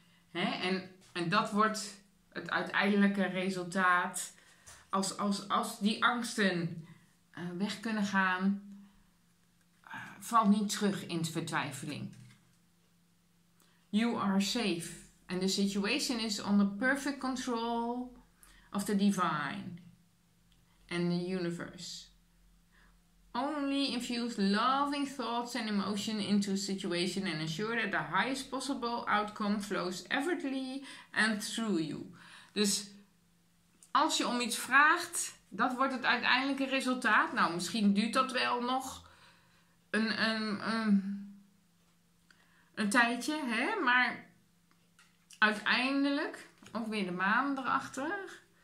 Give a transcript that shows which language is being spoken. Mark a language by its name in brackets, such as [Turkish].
[Dutch] Hè? En dat wordt het uiteindelijke resultaat. Als die angsten weg kunnen gaan, val niet terug in de vertwijfeling. [English] You are safe. And the situation is under perfect control of the divine and the universe. Only infuse loving thoughts and emotion into a situation and ensure that the highest possible outcome flows effortlessly and through you. [Dutch] Dus als je om iets vraagt, dat wordt het uiteindelijke resultaat. Nou, misschien duurt dat wel nog een tijdje, hè? Maar uiteindelijk, ook weer de maan erachter.